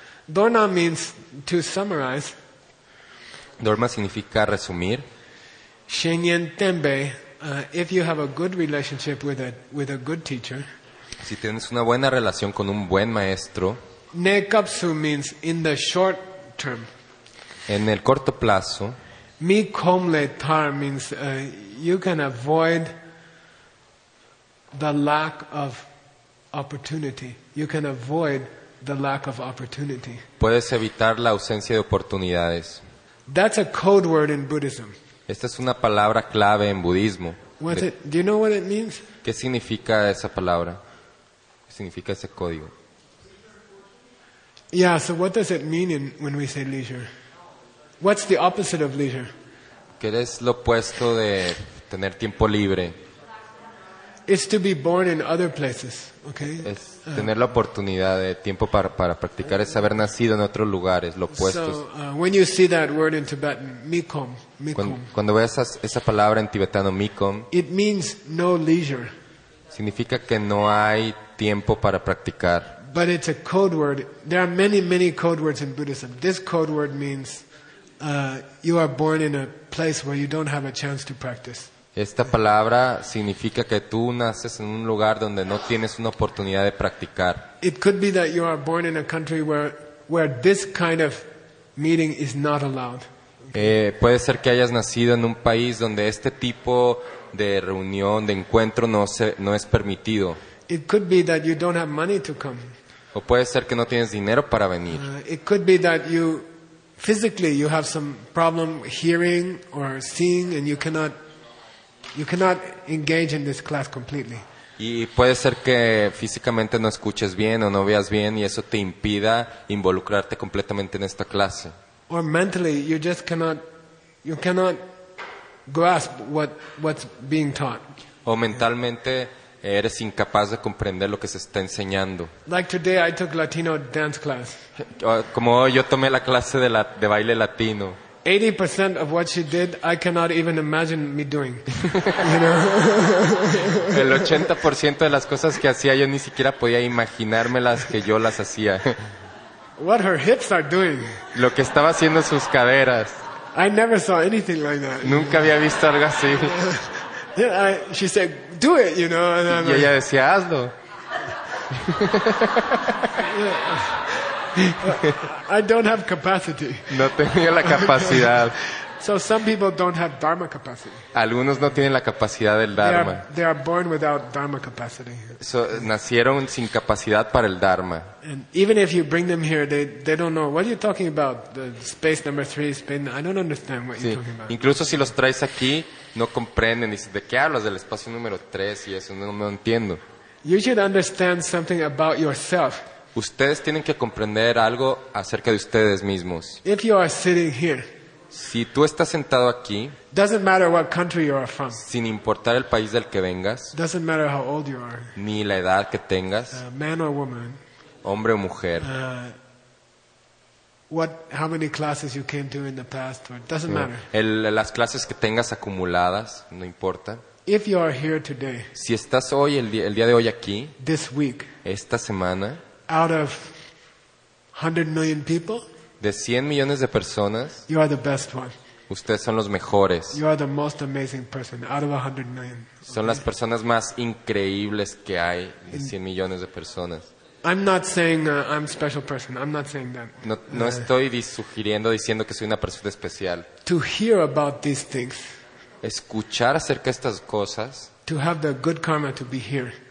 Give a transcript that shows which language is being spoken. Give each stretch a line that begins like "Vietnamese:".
English: Dorna means to summarize.
Spanish: Dorma significa resumir.
Tibetan: Shenyen Tembe,
English: if you have a good relationship with a good teacher.
Spanish: Si tienes una buena relación con un buen maestro.
English: Nekapsu means in the short term.
Spanish: En el corto plazo.
Tibetan: Mi Komle Tar
English: means you can avoid the lack of opportunity. You can avoid the lack of opportunity.
Spanish: Puedes evitar la ausencia de oportunidades.
English: That's a code word in Buddhism.
Spanish: Esta es una palabra clave en budismo.
English: What's it? Do you know what it means?
Spanish: ¿Qué significa esa palabra? ¿Qué significa ese código?
English: Yeah, so what does it mean when we say leisure? What's the opposite of leisure?
Spanish: ¿Qué es lo opuesto de tener tiempo libre?
English: It's to be born in other places, okay?
Spanish: Es tener la oportunidad de tiempo para practicar, es haber nacido en otros lugares, lo opuesto.
English: So, when you see that word in Tibetan, mikom, mikom.
Spanish: Cuando veas esa palabra en tibetano, mikom,
English: it means no leisure.
Spanish: Significa que no hay tiempo para practicar.
English: But it's a code word. There are many, many code words in Buddhism. This code word means you are born in a place where you don't have a chance to practice.
Spanish: Esta palabra significa que tú naces en un lugar donde no tienes una oportunidad de practicar.
English: It could be that you are born in a country where this kind of meeting is not allowed.
Spanish: Puede ser que hayas nacido en un país donde este tipo de reunión, de encuentro no es permitido.
English: It could be that you don't have money to come.
Spanish: O puede ser que no tienes dinero para venir.
English: It could be that you physically you have some problem hearing or seeing and you cannot engage in this class completely.
Spanish: Y puede ser que físicamente no escuches bien o no veas bien y eso te impida involucrarte completamente en esta clase.
English: Or mentally you cannot grasp what's being taught.
Spanish: O mentalmente eres incapaz de comprender lo que se está enseñando.
English: Like today I took Latino dance class.
Spanish: Como hoy yo tomé la clase de baile latino.
English: 80% of what she did, I cannot even imagine me doing. You know?
Spanish: El 80% de las cosas que hacía yo ni siquiera podía imaginarme las que yo las hacía.
English: What her hips are doing.
Spanish: Lo que estaba haciendo sus caderas.
English: I never saw anything like that.
Spanish: Nunca había visto algo así.
English: Yeah, she said, "Do it," you know. And
Spanish: y ella decía, "Hazlo."
English: I don't have capacity.
Spanish: No tenía la capacidad.
English: So some people don't have dharma capacity.
Spanish: Algunos no tienen la capacidad del dharma.
English: They are born without dharma capacity.
Spanish: So, nacieron sin capacidad para el dharma.
English: And even if you bring them here, they don't know what are you talking about. The space number 3 spin. I don't understand what you're talking about.
Spanish: Incluso si los traes aquí, no comprenden. Dicen, ¿de qué hablas? Del espacio número 3 y eso no entiendo.
English: You should understand something about yourself.
Spanish: Ustedes tienen que comprender algo acerca de ustedes mismos.
English: If you are sitting here.
Spanish: Si tú estás sentado aquí,
English: doesn't matter what country you are from,
Spanish: sin importar el país del que vengas,
English: doesn't matter how old you are,
Spanish: ni la edad que tengas,
English: man or woman,
Spanish: hombre o mujer,
English: how many classes you came to in the past, or doesn't matter.
Spanish: Las clases que tengas acumuladas, no importa.
English: If you are here today,
Spanish: si estás hoy el día de hoy aquí,
English: this week,
Spanish: esta semana,
English: out of 100 million people.
Spanish: De 100 millones de personas,
English: you are the best one.
Spanish: Ustedes son los mejores.
English: You are the most amazing person out of 100 million. Okay?
Spanish: Son las personas más increíbles que hay de 100 millones de personas.
English: I'm not saying I'm a special person. I'm not saying that.
Spanish: No estoy diciendo que soy una persona especial.
English: To hear about these things.
Spanish: Escuchar acerca de estas cosas.
English: To have the good karma to be here.